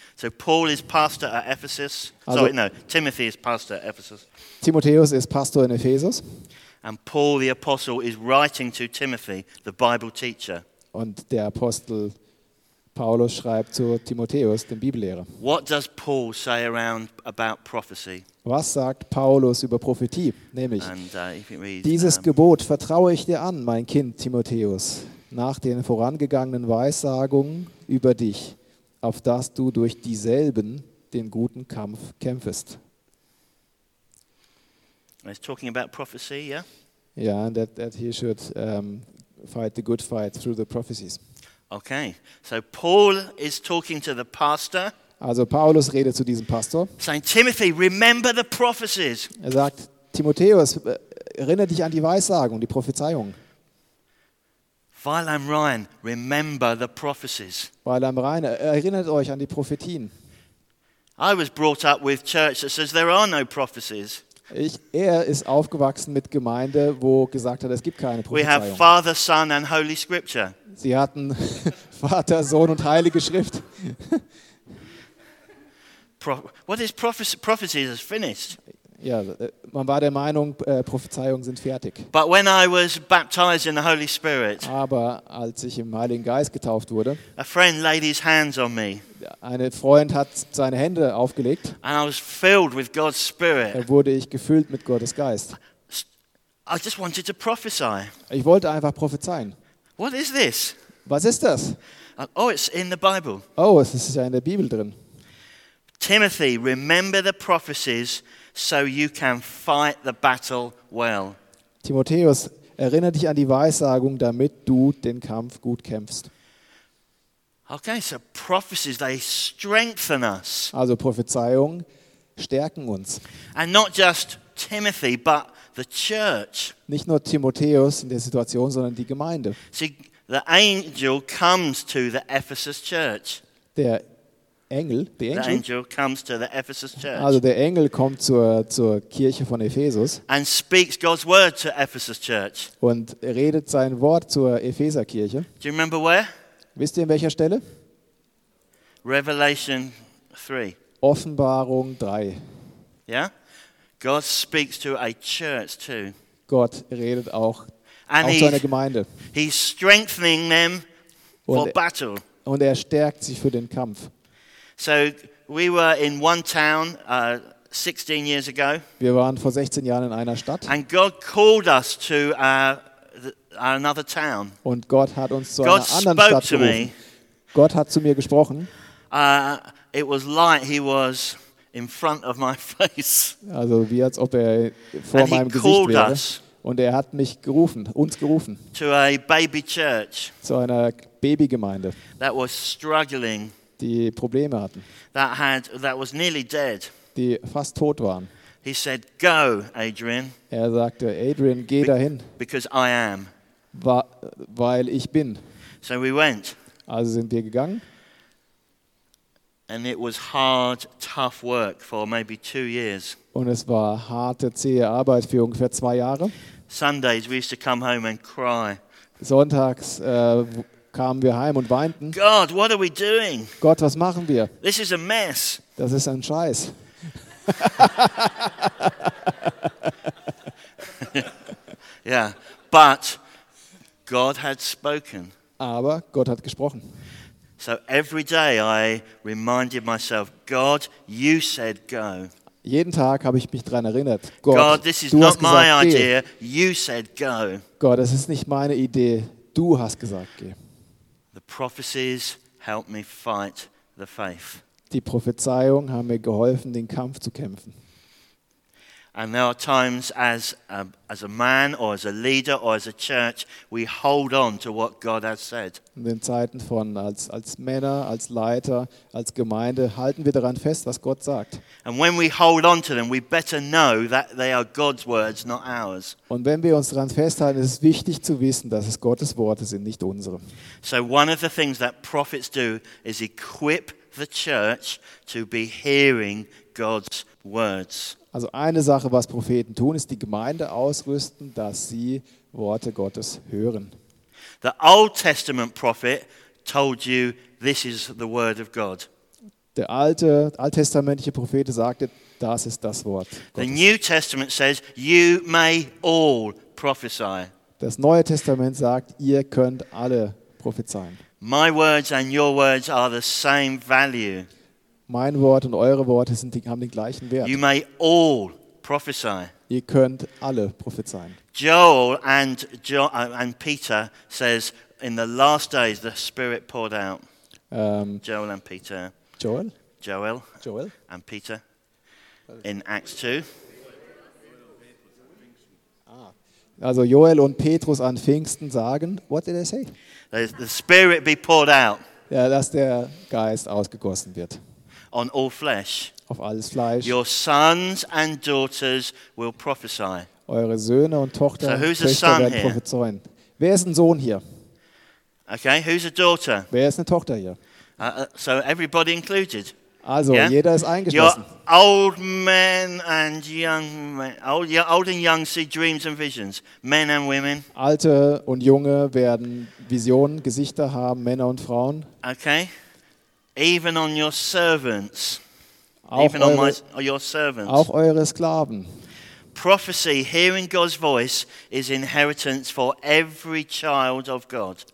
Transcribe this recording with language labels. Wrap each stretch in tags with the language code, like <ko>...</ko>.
<en>So Paul is pastor at Ephesus. Timothy is pastor at Ephesus.</en> <de>Timotheus ist Pastor in Ephesus.</de> <en>And Paul the apostle is writing to Timothy, the Bible teacher.</en> <de>Und der Apostel Paulus schreibt zu Timotheus, dem Bibellehrer.</de> <en>What does Paul say around about prophecy?</en> <de>Was sagt Paulus über Prophetie? Nämlich, dieses Gebot vertraue ich dir an, mein Kind Timotheus. Nach den vorangegangenen Weissagungen über dich, auf dass du durch dieselben den guten Kampf kämpfest.</de> <en>He's talking about prophecy, yeah? Ja, and that he should fight the good fight through the prophecies. Okay, so Paul is talking to the pastor.</en> <de>Also Paulus redet zu diesem Pastor.</de> <en>Saint Timothy, remember the prophecies.</en> <de>Er sagt, Timotheus, erinnere dich an die Weissagung, die Prophezeiung.</de> <en>Weilheim Rhein, remember the prophecies.</en> <de>Weilheim Rhein, erinnert euch an die Prophetien.</de> <en>I was brought up with church that says there are no prophecies.</en> <de>Er ist aufgewachsen mit Gemeinde, wo gesagt hat, es gibt keine Prophezeiung.</de> <en>We have Father, Son and Holy Scripture.</en> <de>Sie hatten Vater, Sohn und Heilige Schrift.</de> <en>prophecy is finished.</en> <de>Ja, man war der Meinung, Prophezeiungen sind fertig.</de> <en>But when I was baptized in the Holy Spirit,</en> <de>aber als ich im Heiligen Geist getauft wurde,</de> <en>a friend laid his hands on me.</en> <de>Ein Freund hat seine Hände aufgelegt.</de> <en>And I was filled with God's Spirit.</en> <de>Da wurde ich gefüllt mit Gottes Geist.</de> <en>I just wanted to prophesy.</en> <de>Ich wollte einfach prophezeien.</de> <en>What is this?</en> <de>Was ist das?</de> <en>Oh, it's in the Bible.</en> <de>Oh, es ist ja in der Bibel drin.</de> <en>Timothy, remember the prophecies so you can fight the battle well.</en> <de>Timotheus, erinnere dich an die Weissagung, damit du den Kampf gut kämpfst.</de> <en>Okay, so prophecies, they strengthen us.</en> <de>Also Prophezeiungen stärken uns.</de> <en>And not just Timothy, but the church.</en> <de>Nicht nur Timotheus in der Situation, sondern die Gemeinde.</de> <en>See, the angel comes to the Ephesus church.</en> <de>Also der Engel kommt zur Kirche von Ephesus.</de> <en>And speaks God's word to Ephesus church.</en> <de>Und redet sein Wort zur Epheser Kirche.</de> <en>Do you remember where?</en> <de>Wisst ihr, in welcher Stelle?</de> <en>Revelation 3.</en> <de>Offenbarung 3.</de> <en>Yeah? God speaks to a church too.</en> <de>Gott redet auch zu einer Gemeinde.</de> <en>He's strengthening them for battle.</en> <de>Und er stärkt sich für den Kampf.</de> <en>So we were in one town 16 years ago.</en> <de>Wir waren vor 16 Jahren in einer Stadt.</de> <en>And God called us to another town.</en> <de>Und Gott hat uns zu einer anderen Stadt gerufen.</de> <en>Me.</en> <de>Gott hat zu mir gesprochen.</de> <en>It was like he was in front of my face.</en> <de>Also wie als ob er vor meinem Gesicht wäre. Und er hat mich gerufen, uns gerufen.</de> <en>To a baby church.</en> <de>Zu einer Babygemeinde.</de> <en>That was struggling.</en> <de>Die Probleme hatten.</de> <en>That was nearly dead.</en> <de>Die fast tot waren.</de> <en>He said, "Go, Adrian."</en> <de>Er sagte, Adrian, geh dahin.</de> <en>Because I am.</en> <de>Weil ich bin.</de> <en>So we went.</en> <de>Also sind wir gegangen.</de> <en>And it was hard, tough work for maybe 2 years.</en> <de>Und es war harte, zähe Arbeit für ungefähr 2 Jahre.</de> <en>Sundays we used to come home and cry.</en> <de>Sonntags kamen wir heim und weinten.</de> <en>God, what are we doing?</en> <de>Gott, was machen wir?</de> <en>This is a mess.</en> <de>Das ist ein Scheiß.</de> <en>Yeah, but God had spoken.</en> <de>Aber Gott hat gesprochen.</de> <en>So every day I reminded myself, God, you said go.</en> <de>Jeden Tag habe ich mich daran erinnert.</de> <en>God, this is not my idea. You said go.</en> <de>Gott, es ist nicht meine Idee. Du hast gesagt, geh.</de> <en>The prophecies help me fight the faith.</en> <de>Die Prophezeiungen haben mir geholfen, den Kampf zu kämpfen.</de> <en>And there are times as a man or as a leader or as a church we hold on to what God has said.</en> <de>In den Zeiten von als Männer, als Leiter, als Gemeinde halten wir daran fest, was Gott sagt.</de> <en>And when we hold on to them, we better know that they are God's words, not ours.</en> <de>Und wenn wir uns daran festhalten, ist es wichtig zu wissen, dass es Gottes Worte sind, nicht unsere.</de> <en>So one of the things that prophets do is equip the church to be hearing God's words.</en> <de>Also eine Sache, was Propheten tun, ist die Gemeinde ausrüsten, dass sie Worte Gottes hören.</de> <en>The Old Testament prophet told you this is the word of God.</en> <de>Der alte alttestamentliche Prophet sagte, das ist das Wort Gottes.</de> <en>The New Testament says you may all prophesy.</en> <de>Das Neue Testament sagt, ihr könnt alle prophezeien.</de> <en>My words and your words are the same value.</en> <de>Mein Wort und eure Worte haben den gleichen Wert.</de> <en>You may all prophesy.</en> <de>Ihr könnt alle prophezeien.</de> <en>Joel and Peter says in the last days the Spirit poured out. Joel and Peter. Joel? Joel. Joel. And Peter in Acts 2.</en> <de>Also Joel und Petrus an Pfingsten sagen,</de> <en>what did they say? The Spirit be poured out.</en> <de>Ja, dass der Geist ausgegossen wird.</de> <en>On all flesh.</en> <de>Auf alles Fleisch.</de> <en>Your sons and daughters will prophesy.</en> <de>Eure Söhne und Tochter werden prophezeien. Wer ist ein Sohn hier?</de> <en>Okay, who's a daughter?</en> <de>Wer ist eine Tochter hier?</de> <en>So everybody included.</en> <de>Also yeah? Jeder ist eingeschlossen.</de> <en>Your old men and young men, old and young see dreams and visions. Men and women.</en> <de>Alte und junge werden Visionen, Gesichter haben, Männer und Frauen.</de> <en>Okay. Even on your servants. auch even eure, on my, your servants.</en> <de>Auch eure Sklaven.</de> <en>Prophecy, hearing God's voice, is inheritance for every child of God.</en>